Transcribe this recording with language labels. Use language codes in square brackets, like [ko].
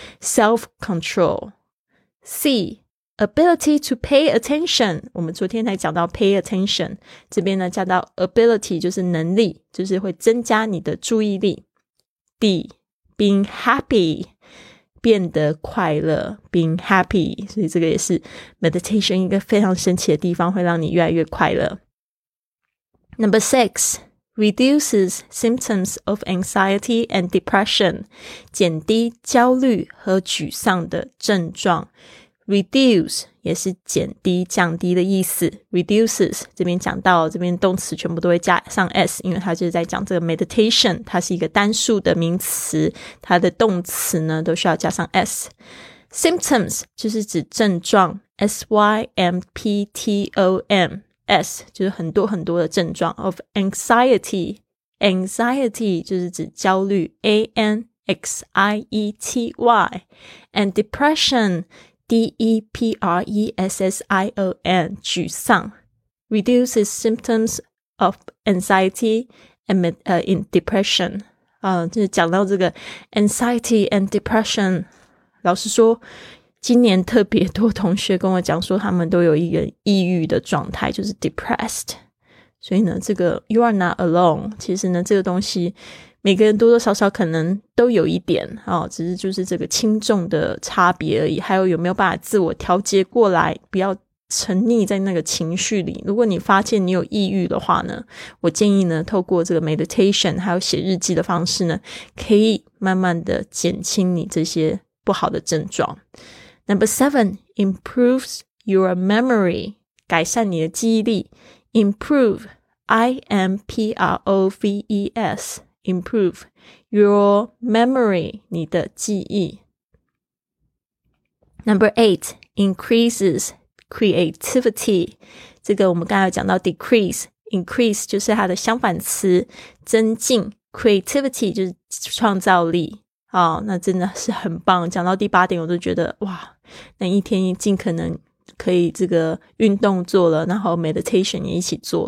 [zh] self-control。 [en] C ability to pay attention， [zh] 我们昨天才讲到 pay attention， 这边呢加到 ability 就是能力，就是会增加你的注意力。 [en] D being happy， [zh] 变得快乐， being happy， 所以这个也是 meditation 一个非常神奇的地方，会让你越来越快乐。 [en] Number 6 reduces symptoms of anxiety and depression， [zh] 减低焦虑和沮丧的症状。 Reduce 也是减低降低的意思， reduces 这边讲到，这边动词全部都会加上 s， 因为它就是在讲这个 meditation， 它是一个单数的名词，它的动词呢都需要加上 s。 Symptoms 就是指症状， symptom， s 就是很多很多的症状。 of anxiety， anxiety 就是指焦虑， anxiety， and depression，depression， 沮丧。 [en] reduces symptoms of anxiety and in depression， [zh] 就是讲到这个 anxiety and depression， 老实说今年特别多同学跟我讲说他们都有一个抑郁的状态，就是 depressed。所以呢这个 [en] you are not alone， [zh] 其实呢这个东西每个人多多少少可能都有一点，只是就是这个轻重的差别而已，还有有没有办法自我调节过来，不要沉溺在那个情绪里。如果你发现你有抑郁的话呢，我建议呢透过这个 meditation 还有写日记的方式呢，可以慢慢的减轻你这些不好的症状。 [en] Number 7 improves your memory， [zh] 改善你的记忆力。 [en] improve， I-M-P-R-O-V-E-Simprove your memory， [zh] 你的记忆。 [en] Number 8 increases creativity， [zh] 这个我们刚才讲到 decrease， increase 就是它的相反词，增进。 creativity 就是创造力，那真的是很棒。讲到第八点我都觉得哇，那一天尽可能可以这个运动做了，然后 meditation 也一起做。